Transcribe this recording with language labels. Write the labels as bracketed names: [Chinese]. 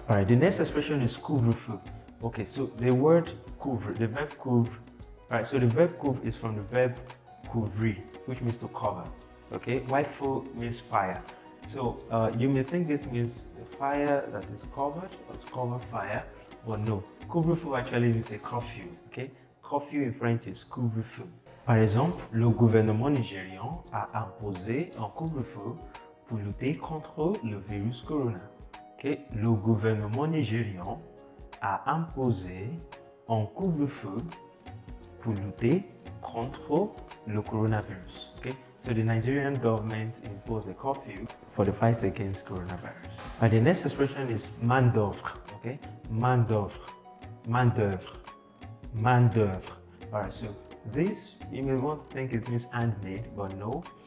[English] All right, the next expression is couvre-feu. Okay, so the word couvre, the verb couvre, all right, so the verb couvre is from the verb couvrir, which means to cover, okay? White feu means fire. So you may think this means the fire that is covered, or to cover fire, but no. Couvre-feu actually means a curfew, okay? Curfew in French is couvre-feu. [French] Par exemple, le gouvernement nigérian a imposé un couvre-feu pour lutter contre le virus corona. Okay? Le gouvernement nigérian a imposé un couvre-feu pour lutter contre le coronavirus. [English] Okay? So the Nigerian government imposed a curfew for the fight against coronavirus. And the next expression is main d'œuvre. Okay? Main d'œuvre. Main d'œuvre. Main d'œuvre. Alright, so this you may want to think it means handmade, but no.